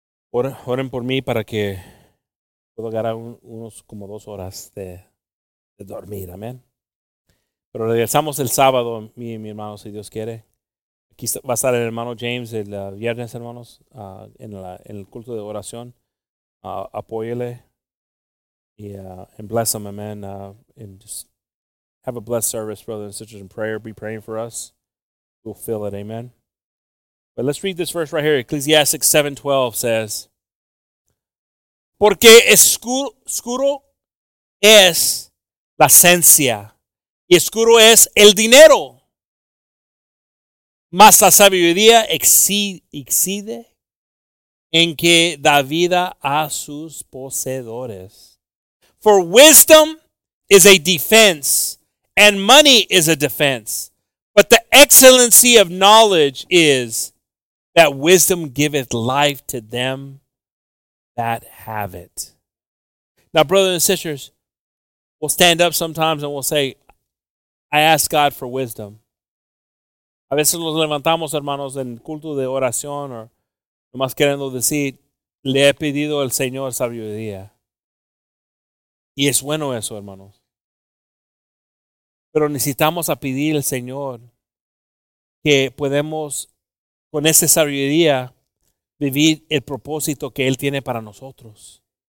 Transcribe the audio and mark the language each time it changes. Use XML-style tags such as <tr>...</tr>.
<es>Oren por mí para que pueda ganar unos como dos horas de dormir. Amén. Pero regresamos el sábado, mi hermano, si Dios quiere. Aquí va a estar el hermano James el viernes, hermanos, en el culto de oración. Apóyele.</es> <en>And bless him, amen. And just have a blessed service, brothers and sisters, in prayer. Be praying for us. We'll fill it, amen. But let's read this verse right here. Ecclesiastes 7:12 says,</en> <es>porque escuro es la ciencia, y escuro es el dinero, mas la sabiduría exide en que da vida a sus poseedores.</es> <en>For wisdom is a defense, and money is a defense, but the excellency of knowledge is that wisdom giveth life to them that have it. Now, brothers and sisters, we'll stand up sometimes and we'll say, I ask God for wisdom.</en> <es>A veces nos levantamos, hermanos, en culto de oración o nomás queriendo decir, le he pedido al Señor sabiduría. Y es bueno eso, hermanos. Pero necesitamos a pedir al Señor que podemos, con esa sabiduría, vivir el propósito que Él tiene para nosotros.</es>